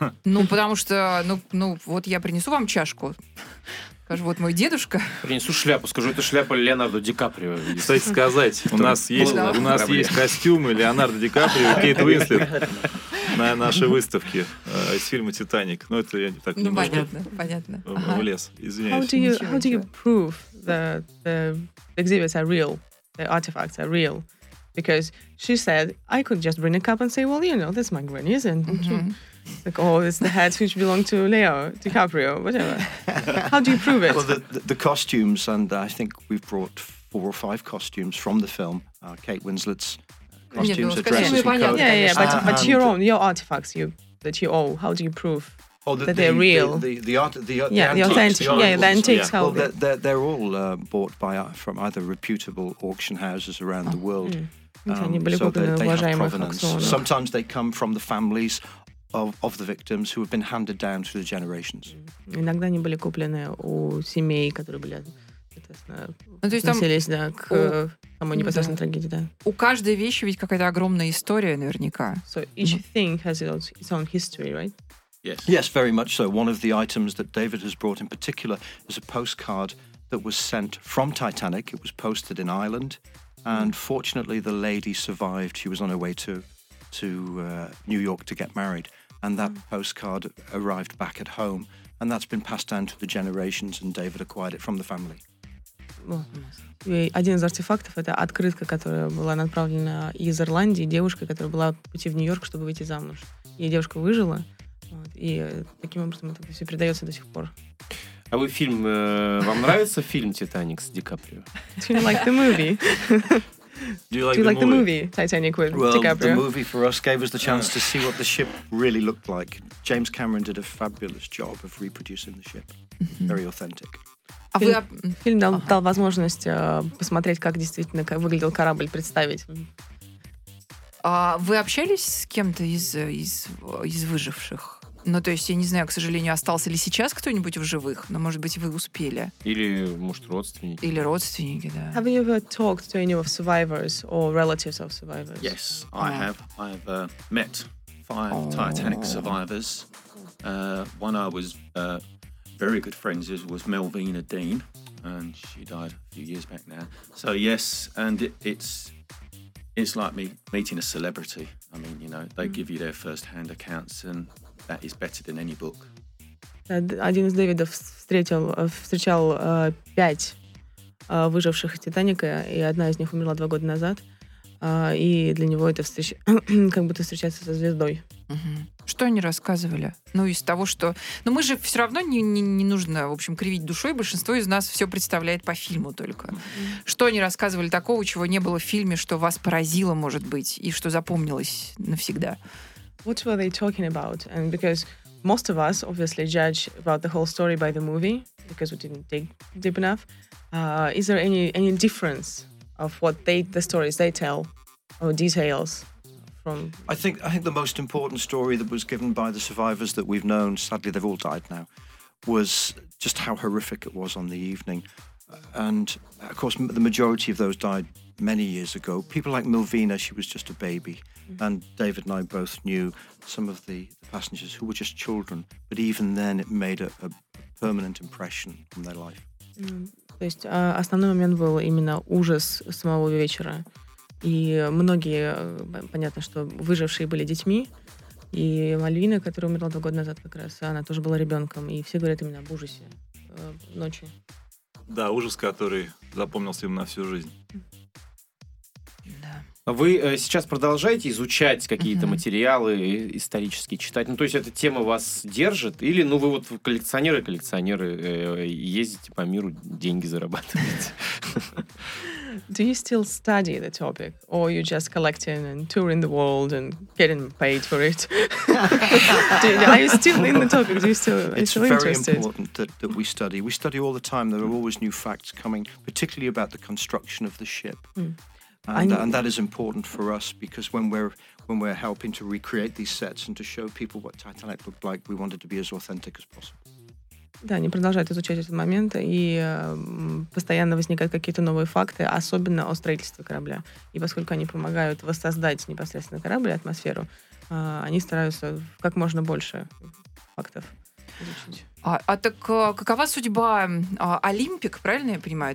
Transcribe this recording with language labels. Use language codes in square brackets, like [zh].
[ru] Ну, потому что, ну, вот я принесу вам чашку. Скажу, вот мой дедушка. Принесу шляпу, скажу, это шляпа Леонардо Ди Каприо. Кстати сказать, у нас есть, у нас есть костюмы Леонардо Ди Каприо и Кейт Уинслет на нашей выставке из фильма «Титаник». Ну, это я не так понимаю. Понятно. Влез, извиняюсь. [en] How do you prove that the exhibits are real, the artifacts are real? Because she said, I could just bring a cup and say, well, you know, that's my granny's, and like, oh, it's the head which belonged to Leo DiCaprio, whatever. How do you prove it? Well, the costumes, and I think we've brought four or five costumes from the film, Kate Winslet's costumes, dresses, and coat. But your own artifacts that you owe, how do you prove that they're real? The antiques. Well, they're all bought by from either reputable auction houses around the world. So they have provenance. Sometimes they come from the families of the victims who have been handed down through the generations. [ru] Иногда они были куплены у семей, которые были, относились к самой непосредственной трагедии. Да. У каждой вещи ведь какая-то огромная история, наверняка. [en] So each thing has its own history, right? Yes, very much so. One of the items that David has brought in particular is a postcard that was sent from Titanic. It was posted in Ireland. And fortunately, the lady survived. She was on her way to New York to get married. And that postcard arrived back at home. And that's been passed down to the generations, and David acquired it from the family. [ru] Один из артефактов — это открытка, которая была направлена из Ирландии девушкой, которая была пути в Нью-Йорк, чтобы выйти замуж. И девушка выжила. И таким образом это все передается до сих пор. А вы фильм... вам нравится фильм «Титаник» с Ди Каприо? [en] Do you like the movie? Titanic with well, DiCaprio? Well, the movie for us gave us the chance to see what the ship really looked like. James Cameron did a fabulous job of reproducing the ship. Very authentic. [ru] Фильм дал возможность посмотреть, как действительно выглядел корабль, представить. А вы общались с кем-то из выживших? Ну, то есть, я не знаю, к сожалению, остался ли сейчас кто-нибудь в живых, но, может быть, вы успели. Или, может, родственники. Или родственники, да. [en] Have you ever talked to any of survivors or relatives of survivors? Yes, I have. I have met five Titanic survivors. One I was very good friends with was Melvina Dean, and she died a few years back now. So, yes, and it's like meeting a celebrity. I mean, you know, they give you their first-hand accounts and... That is better than any book. [ru] Один из Дэвидов встречал пять выживших из «Титаника», и одна из них умерла 2 года назад. И для него это как будто встречаться со звездой. Что они рассказывали? Ну, из того, что... Ну, мы же все равно не нужно, в общем, кривить душой. Большинство из нас все представляет по фильму только. Что они рассказывали такого, чего не было в фильме, что вас поразило, может быть, и что запомнилось навсегда? [en] What were they talking about? And because most of us obviously judge about the whole story by the movie because we didn't dig deep enough. Is there any difference of what the stories they tell or details from? I think the most important story that was given by the survivors that we've known, sadly they've all died now, was just how horrific it was on the evening. And of course, the majority of those died many years ago. People like Milvina, she was just a baby. Mm-hmm. And David and I both knew some of the passengers who were just children. But even then, it made a permanent impression on their life. Mm-hmm. [ru] То есть основной момент был именно ужас самого вечера. И многие, понятно, что выжившие были детьми. И Мальвина, которая умерла 2 года назад как раз, она тоже была ребенком. И все говорят именно об ужасе ночи. Да, ужас, который запомнился им на всю жизнь. Да. Вы сейчас продолжаете изучать какие-то uh-huh. материалы исторические, читать? Ну, то есть эта тема вас держит? Или, ну, вы вот коллекционеры, ездите по миру, деньги зарабатываете? [en] Do you still study the topic? Or you just collecting and touring the world and getting paid for it? Are you still in the topic? Do you still, it's still very interested? Important that we study. We study all the time. There are always new facts coming, particularly about the construction of the ship. Mm. And that is important for us because when we're helping to recreate these sets and to show people what Titanic looked like, we wanted to be as authentic as possible. [ru] Да, они продолжают изучать этот момент, и постоянно возникают какие-то новые факты, особенно о строительстве корабля. И поскольку они помогают воссоздать непосредственно корабль и атмосферу, они стараются как можно больше фактов изучить. Какова судьба Олимпик, правильно я понимаю?